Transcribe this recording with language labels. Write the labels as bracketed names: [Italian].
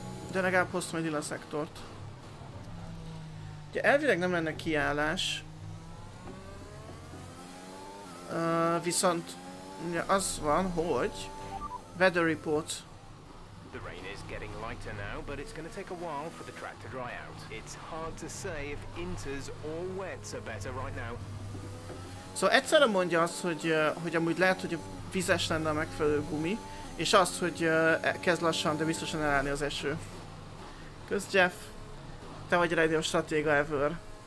[Hungarian] De legalább hoztam egy lila szektort. Ugye elvileg nem lenne kiállás. Viszont ugye az van, hogy [English] weather report. The rain is getting lighter now, but it's going to take a while for the track to dry out. It's hard to say if inters or wets are better right now. [Hungarian] Szóval egyszerre mondja azt, hogy, hogy amúgy lehet, hogy vizes lenne a megfelelő gumi, és azt, hogy kezd lassan, de biztosan elállni az eső. Kösz, Jeff! Te vagy a legjobb stratéga ever.